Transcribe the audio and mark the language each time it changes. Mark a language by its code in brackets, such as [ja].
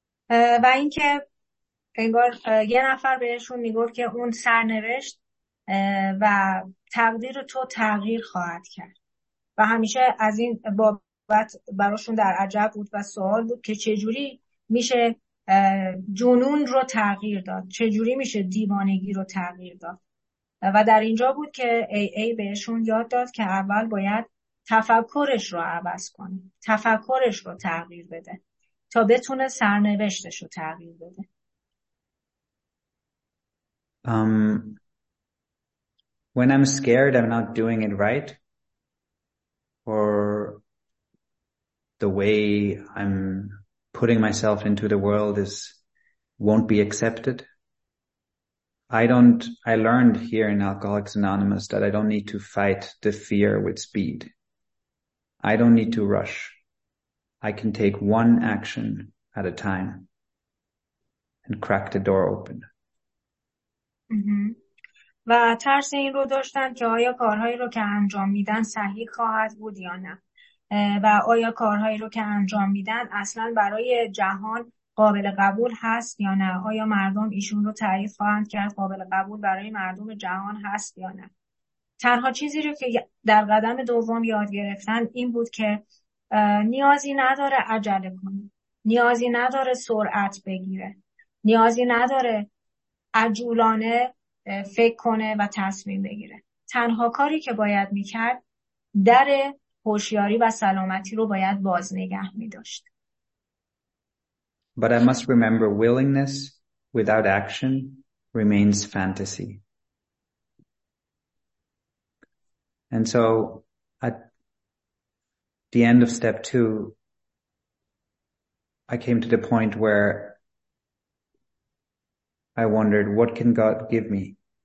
[fa] و اینکه انگار یه نفر بهشون میگفت که اون سرنوشت و تقدیر تو تغییر خواهد کرد و همیشه از این بابت براشون در عجب بود و سوال بود که چجوری میشه جنون رو تغییر داد، چجوری میشه دیوانگی رو تغییر داد. و در اینجا بود که AA بهشون یاد داد که اول باید تفکرش رو عوض کنه، تفکرش رو تغییر بده تا بتونه سرنوشتش رو تغییر بده. [en] When I'm scared I'm not doing it right, or the way I'm putting myself into the world is won't be accepted, I learned here in Alcoholics Anonymous that I don't need to fight the fear with speed. I don't need to rush. I can take one action at a time and crack the door open. [fa] و ترس این رو داشتن که آیا کارهایی رو که انجام میدن صحیح خواهد بود یا نه و آیا کارهایی رو که انجام میدن اصلا برای جهان قابل قبول هست یا نه، آیا مردم ایشون رو تعریف خواهند کرد قابل قبول برای مردم جهان هست یا نه. تنها چیزی رو که در قدم دوم یاد گرفتن این بود که نیازی نداره عجله کنه، نیازی نداره سرعت بگیره، نیازی نداره عجولانه فکر کنه و تصمیم بگیره. تنها کاری که باید میکرد در هوشیاری و سلامتی رو باید باز نگه میداشت. [en] But I must remember willingness without action remains fantasy. And so at the end of step two, I came to the point where I wondered, what can God give me?